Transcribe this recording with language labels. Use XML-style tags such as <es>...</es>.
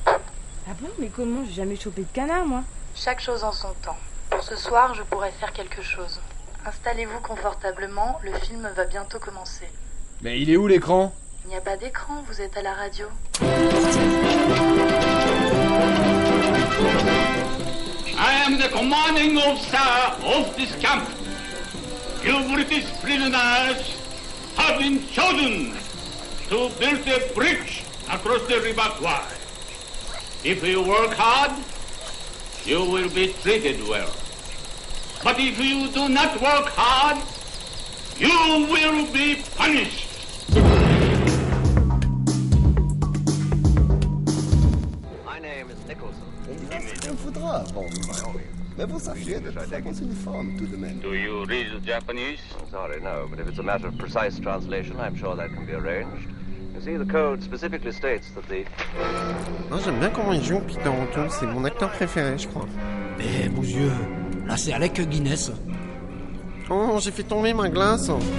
<fr>Ah bon? Mais comment? J'ai jamais chopé de canard, moi. Chaque chose en son temps. Pour ce soir, je pourrais faire quelque chose. Installez-vous confortablement, le film va bientôt commencer. Mais il est où, l'écran? Il n'y a pas d'écran, vous êtes à la radio.</fr> <en>I am the commanding officer of this camp. You British prisoners have been chosen to build a bridge across the river Kwai. If you work hard, you will be treated well. But if you do not work hard, you will be punished. My name is Nicholson.</en> <fr>Il a ce qu'il faudra, bon. Mais vous saviez de très bons uniformes, tout de même.</fr> <en>Do you read the Japanese? Oh, sorry, no. But if it's a matter of precise translation, I'm sure that can be arranged. You see, the code specifically states that the...</en> <fr>Non, j'aime bien comment ils jouent, Peter O'Toole, c'est mon acteur préféré, je crois. Mais, mon dieu, là, c'est Alec Guinness. Oh, j'ai fait tomber ma glace.</fr>